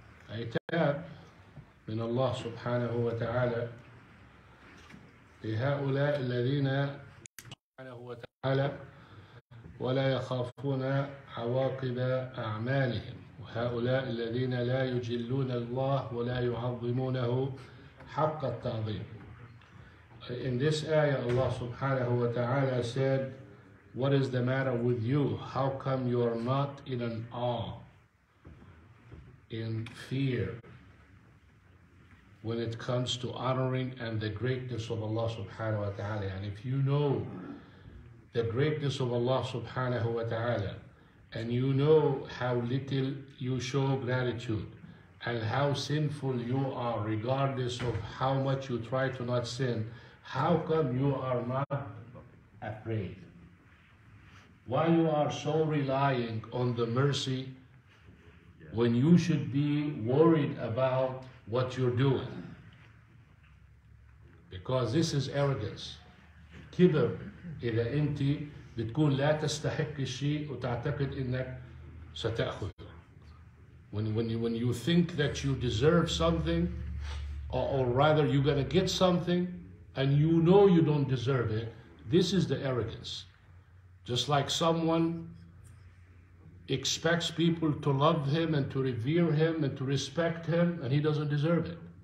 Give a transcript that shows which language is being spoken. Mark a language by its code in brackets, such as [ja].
[ar] عتاب من الله سبحانه وتعالى لهؤلاء الذين سبحانه وتعالى ولا يخافون عواقب أعمالهم، وهؤلاء الذين لا يجلون الله ولا يعظمونه حق التعظيم. [en] In this ayah, Allah subhanahu wa ta'ala said, "What is the matter with you? How come you are not in an awe, in fear, when it comes to honoring and the greatness of Allah subhanahu wa ta'ala?" And if you know the greatness of Allah subhanahu wa ta'ala, and you know how little you show gratitude, and how sinful you are, regardless of how much you try to not sin, how come you are not afraid? Why you are so relying on the mercy when you should be worried about what you're doing? Because this is arrogance. كبر. [ar] إذا أنت بتكون لا تستحق الشيء وتعتقد إنك ستأخذ. [en] When you think that you deserve something, or rather you're gonna get something, and you know you don't deserve it, this is the arrogance. Just like someone expects people to love him and to revere him and to respect him, and he doesn't deserve it.